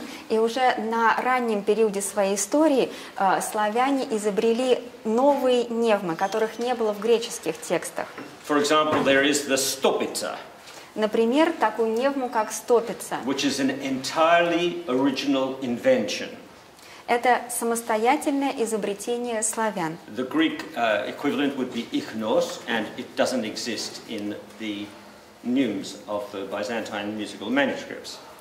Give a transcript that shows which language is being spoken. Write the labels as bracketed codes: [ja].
[ru] И уже на раннем периоде своей истории славяне изобрели новые невмы, которых не было в греческих текстах. [en] For example, there is the stopica. [ru] Например, такую невму, как стопица. [en] Which is an entirely original invention. [ru] Это самостоятельное изобретение славян. [en] The Greek equivalent would be ichnos, and it doesn't exist in the neumes of the Byzantine musical manuscripts.